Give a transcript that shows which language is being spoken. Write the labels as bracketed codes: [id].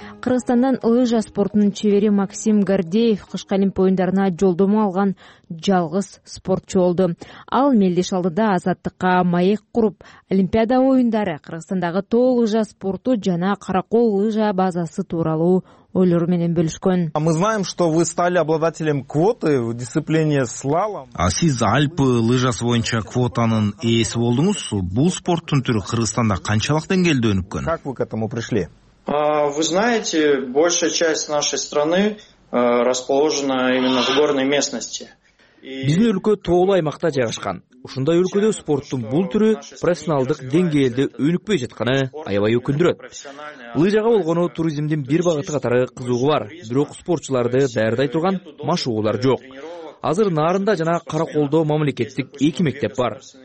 [ky] Кыргызстандан лыжа спортунун чевери Максим Гордеев кышкы олимпия оюндарына жолдомо алган жалгыз спортчу болду. Ал мелдеш алдыда азаттыкка маек куруп, олимпиада оюндары, Кыргызстандагы тоо лыжа спорту жана каракол лыжа базасы тууралуу ойлору менен бөлүшкөн. [ru] Мы знаем, что вы стали обладателем квоты в дисциплине слалом. [ky] А сиз Альпы лыжасы боюнча квотанын ээси болдуңуз. Бул спорттун түрү Кыргызстанда канчалык деңгээлде өнүккөн? [ru] Как вы к этому пришли? Вы знаете, большая часть нашей страны расположена именно в горной местности. [ky] Биздин өлкө тоолуу аймакта жайгашкан. Ушундай өлкөдө спорттун бул түрү профессионалдык деңгээлде өнүкпөй жатканы аябай өкүндүрөт. Лыжага болгону туризмдин бир багыты катары кызыгуу бар, бирок спортчуларды даярдай турган машыгуулар жок. Азыр Нарында жана Караколдо мамлекеттик эки мектеп бар.